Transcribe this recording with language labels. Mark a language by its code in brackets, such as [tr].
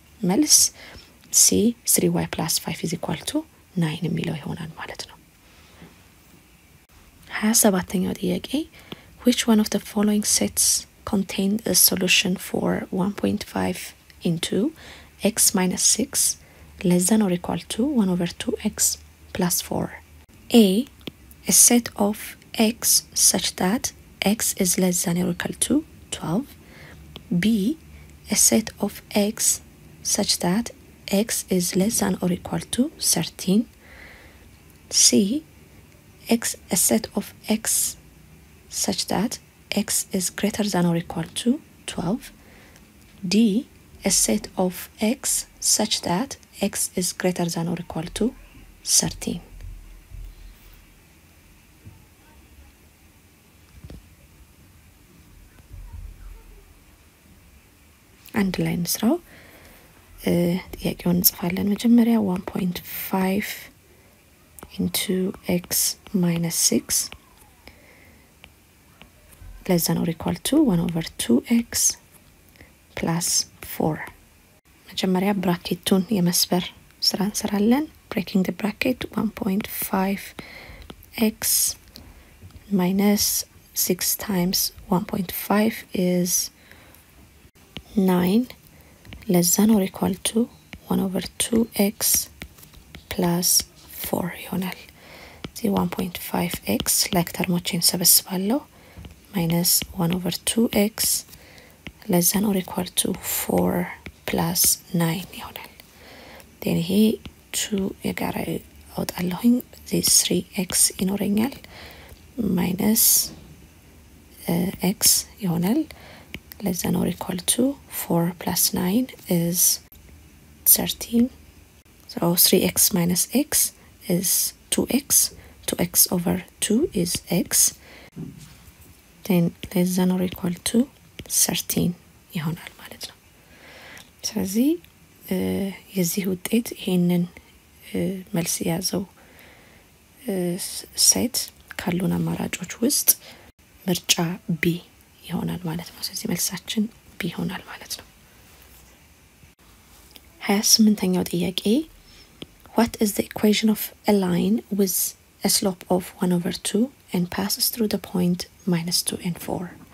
[am] መልስ [en] c 3y + 5 is equal to 9 [am] የሚለው ይሆናል ማለት ነው። 27ኛው ጥያቄ [en] which one of the following sets contain a solution for 1.5 into x - 6 less than or equal to 1 over 2x + 4. A a set of x such that x is less than or equal to 12. B a set of x such that x is less than or equal to 13. C x a set of x such that x is greater than or equal to 12. D a set of x such that x is greater than or equal to 13. And line throw [am] ጥያቄውን እንጽፋለን። መጀመሪያ [en] 1.5 into x minus 6 less than or equal to 1 over 2x plus 4. [am] መጀመሪያ ብራኬቱን የመስበር ስራ እንሰራለን። [en] ብሬኪንግ ዘ ብራኬት 1.5x minus 6 times 1.5 is 9 less than or equal to 1 over 2x plus 4 [am] ይሆናል። [en] ዚ 1.5x ላይክ [am] ተርሞችን ሰብስባለሁ [en] minus 1 over 2x less than or equal to 4 plus 9 [am] ይሆናል። [en] then he 2 [am] የጋራ አውጣለሁኝ [en] ዚ 3x [am] ይኖረኛል [en] minus x [am] ይሆናል [en] less than or equal to 4 plus 9 is 13. So 3x minus x is 2x. 2x over 2 is x. Then less than or equal to 13. [am] ይሆናል ማለት ነው። ስለዚህ የዚህ ውጤት ይሄንን መልስ ያዘው ሴት ካሉን አማራጮች ውስጥ ምርጫ B ይሆናል ማለት ነው። ስለዚህ መልሳችን B ይሆናል ማለት ነው። 28ኛው ጥያቄ [en] What is the equation of a line with a slope of 1 over 2 and passes through the point minus 2 and 4?